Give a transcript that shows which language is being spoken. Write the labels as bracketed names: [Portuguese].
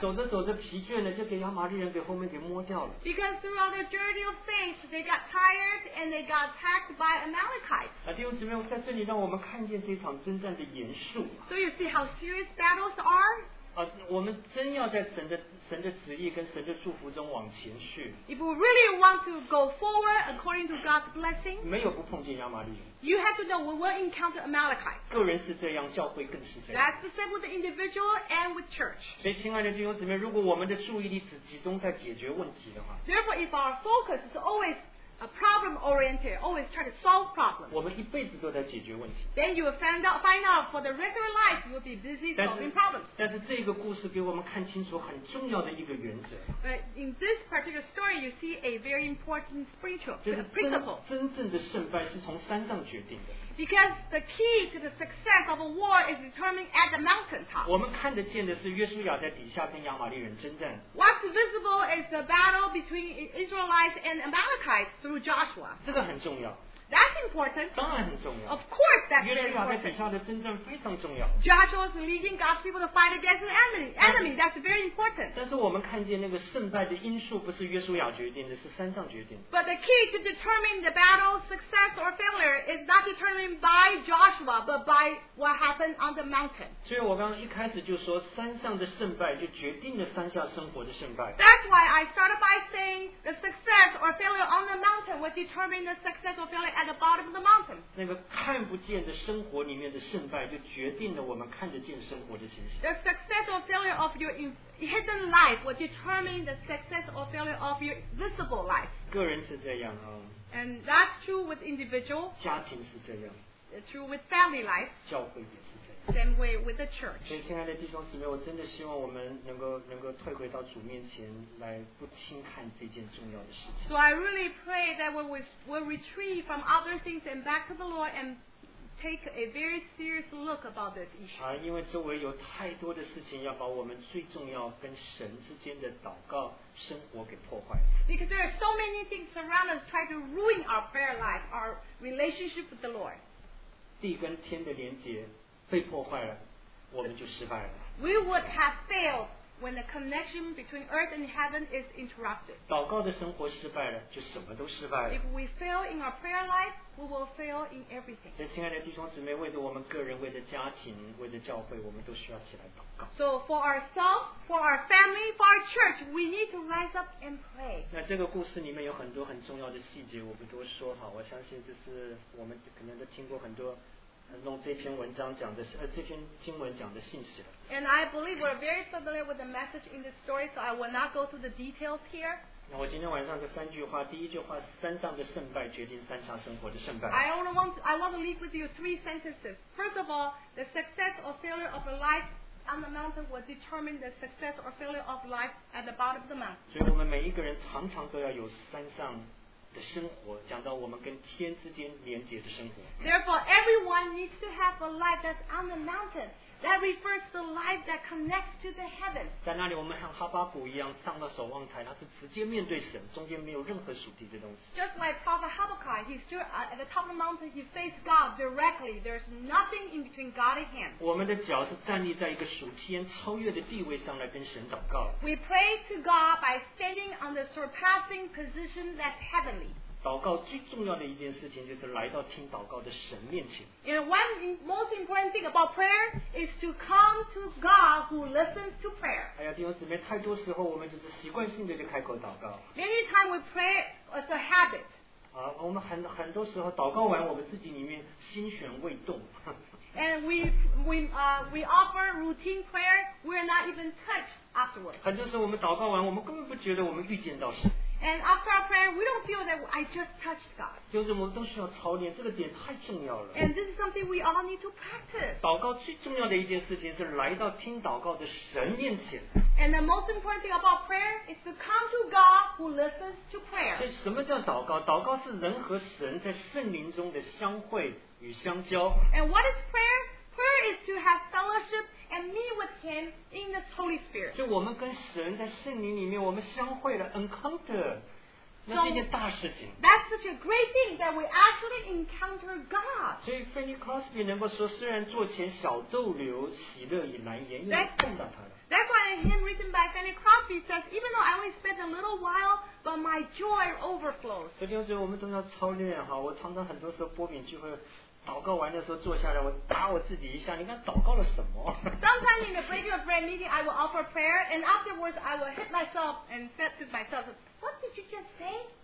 [Chinese] 走着走着疲倦了，就给亚玛力人给后面给摸掉了。 [English] Because throughout the journey of faith, they got tired and they got attacked by Amalekites. [Chinese] 弟兄姊妹，在这里让我们看见这场征战的严肃。 [English] So you see how serious battles are? [Chinese] 我们真要在神的旨意跟神的祝福中往前去。 [English] If you really want to go forward according to God's blessing, [Chinese] 没有不碰见亚玛力人。 [English] You have to know we will encounter Amalekites. [Chinese] 个人是这样，教会更是这样。 [English] That's the same with the individual and with church. [Chinese] 所以，亲爱的弟兄姊妹，如果我们的注意力只集中在解决问题的话 [English] ，Therefore, if our focus is always a problem oriented, always try to solve problems, [Chinese] 我们一辈子都在解决问题。 [English] Then you will find out for the rest of your life, you will be busy solving problems. [Chinese] 但是这个故事给我们看清楚很重要的一个原则。 [English] But in this particular story, you see a very important spiritual principle. [Chinese] 真正的胜败是从山上决定的。 [English] Because the key to the success of a war is determined at the mountaintop. [Chinese] 我们看得见的是约书亚在底下跟亚玛力人征战。 [English] What's visible is the battle between Israelites and Amalekites through Joshua. [Chinese] 这个很重要。 [English] That's important. [Chinese] 当然很重要。 [English] Of course, that's important. [Chinese] 约书亚在底下的征战非常重要。 [English] Joshua is leading God's people to fight against an enemy. That's very important. [Chinese] 但是我们看见那个胜败的因素不是约书亚决定的，是山上决定。 [English] But the key to determine the battle's success or failure is not determined by Joshua, but by what happened on the mountain. [Chinese] 所以我刚刚一开始就说，山上的胜败就决定了山下生活的胜败。 [English] That's why I started by saying the success or failure on the mountain would determine the success or failure. At the bottom of the mountain. [Chinese] 那个看不见的生活里面的胜败就决定了我们看得见生活的情形。 [English] The success or failure of your hidden life will determine the success or failure of your visible life. [Chinese] 个人是这样啊。 [English] And that's true with individual. [Chinese] 家庭是这样。 [English] True with family life. [Chinese] 教会也是这样。 [English] Same way with the church. [Chinese] 所以亲爱的弟兄姊妹，我真的希望我们能够退回到主面前来不轻看这件重要的事情。 [English] So I really pray that we will retreat from other things and back to the Lord and take a very serious look about this issue. [Chinese] 因为周围有太多的事情要把我们最重要跟神之间的祷告生活给破坏。 [English] Because there are so many things around us trying to ruin our prayer life, our relationship with the Lord. [Chinese] 地跟天的连接被破坏了，我们就失败了。 [English] We would have failed when the connection between earth and heaven is interrupted. [Chinese] 祷告的生活失败了，就什么都失败了。 [English] If we fail in our prayer life, we will fail in everything. [Chinese] 所以，亲爱的弟兄姊妹，为着我们个人，为着家庭，为着教会，我们都需要起来祷告。 [English] So for ourselves, for our family, for our church, we need to rise up and pray. [Chinese] 那这个故事里面有很多很重要的细节，我不多说哈。我相信这是我们可能都听过很多。弄这篇文章讲的是这篇经文讲的信息了。 [English] And I believe we're very familiar with the message in this story, so I will not go through the details here. [Chinese] 那我今天晚上这三句话，第一句话，山上的胜败决定山下生活的胜败。 [English] I want to leave with you three sentences. First of all, the success or failure of a life on the mountain will determine the success or failure of life at the bottom of the mountain. [Chinese] 所以我们每一个人常常都要有山上。的生活讲到我们跟天之间连接的生活。 [English] Therefore, everyone needs to have a life that's on the mountain that refers to the life that connects to the heavens. [Chinese] 在那里，我们像哈巴谷一样上到守望台，他是直接面对神，中间没有任何属地的东西。 [English] Just like Prophet Habakkuk, he stood at the top of the mountain. He faced God directly. There's nothing in between God and him. [Chinese] 我们的脚是站立在一个属天超越的地位上来跟神祷告。 [English] We pray to God by standing on the surpassing position that's heaven. [Chinese] 祷告最重要的一件事情就是来到听祷告的神面前。 [English] And one most important thing about prayer is to come to God who listens to prayer. [Chinese] 哎呀，弟兄姊妹，太多时候我们就是习惯性的就开口祷告。 [English] Many times we pray as a habit. [Chinese] 我们很多时候祷告完，我们自己里面心弦未动。 [English] And we offer routine prayer. We're not even touched afterwards. [Chinese] 很多时候我们祷告完，我们根本不觉得我们遇见到神。 [English] And after our prayer, we don't feel that I just touched God. [Chinese] 就是我们都需要操练，这个点太重要了。 [English] And this is something we all need to practice. [Chinese] 祷告最重要的一件事情是来到听祷告的神面前。 [English] And the most important thing about prayer is to come to God who listens to prayer. [Chinese] 所以什么叫祷告？祷告是人和神在圣灵中的相会与相交。 [English] And what is prayer? Prayer is to have fellowship. And meet with him in the Holy Spirit. [Chinese] 就我们跟神在圣灵里面，我们相会了 encounter. [English] That's such a great thing that we actually encounter God. [Chinese] So, Fanny Crosby 能够说，虽然座前小逗留，喜乐已难言，因为碰到他了。 [English] That's why a hymn written by Fanny Crosby says, even though I only spent a little while, but my joy overflows. [Chinese] 所以有时候我们都要操练哈，我常常很多时候波饼聚会。祷告完的时候坐下来，我打我自己一下。你看祷告了什么 [English] ？Sometimes in the break of prayer meeting, I will offer prayer, and afterwards I will hit myself and said to myself, "What did you just say?"